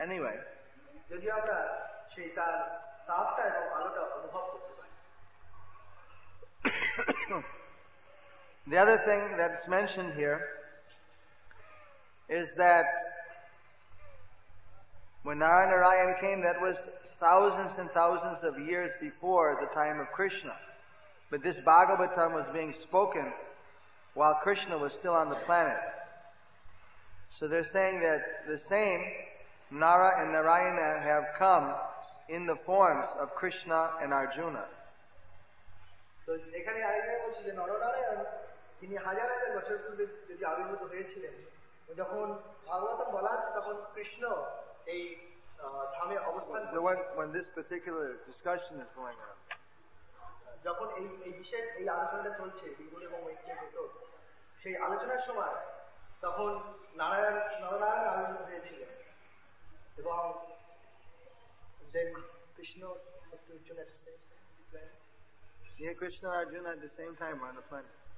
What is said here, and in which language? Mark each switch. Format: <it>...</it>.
<en>Anyway, the other thing that's mentioned here is that when Narayana came, that was thousands and thousands of years before the time of Krishna. But this Bhagavatam was being spoken while Krishna was still on the planet. So they're saying that the same Nara and Narayana have come in the forms of Krishna and Arjuna.</en> <bn>So এখানে আরেকজন বলছে যে নরনারায়ণ তিনি হাজার হাজার বছর পূর্বে যদি আবির্ভূত হয়েছিলেন, যখন ভাগবত বলা আছে তখন কৃষ্ণ এই ধামে অবস্থান করছিলেন।</bn> <en>When this particular discussion is going on,</en> <bn>যখন এই এই বিষয়ে এই আলোচনাটা চলছে বিগুণ এবং ঐক্যের ভেতর, সেই আলোচনার সময় তখন নরনারায়ণ আবির্ভূত হয়েছিলেন।</bn> <en>Then Krishna and Arjuna at the same time were on the planet.</en>